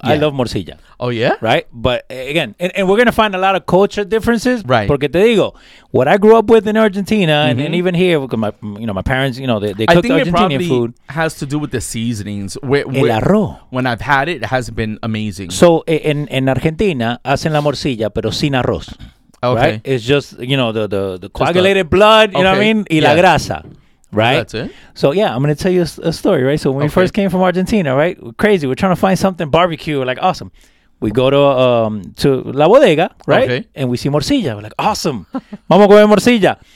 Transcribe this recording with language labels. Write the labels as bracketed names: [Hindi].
[English] Yeah. I love morcilla. Oh, yeah? Right? But again, and we're going to find a lot of culture differences. Right. [Spanish] Porque te digo, [English] what I grew up with in Argentina, mm-hmm. and even here, because my parents, you know, they cooked Argentinian food. I think it probably has to do with the seasonings. [Spanish] El arroz. [English] When I've had it, it hasn't been amazing. So in Argentina [Spanish] hacen la morcilla pero sin arroz. [English] Okay. Right? It's just, you know, the coagulated blood, you know what I mean? [Spanish] Y la grasa. [English] Right? That's it. So I'm gonna tell you a story, right? So when we first came from Argentina, right? Crazy. We're trying to find something barbecue, like awesome. We go to la bodega, right? Okay. And we see morcilla. We're like, awesome. [Spanish] Vamos a comer morcilla.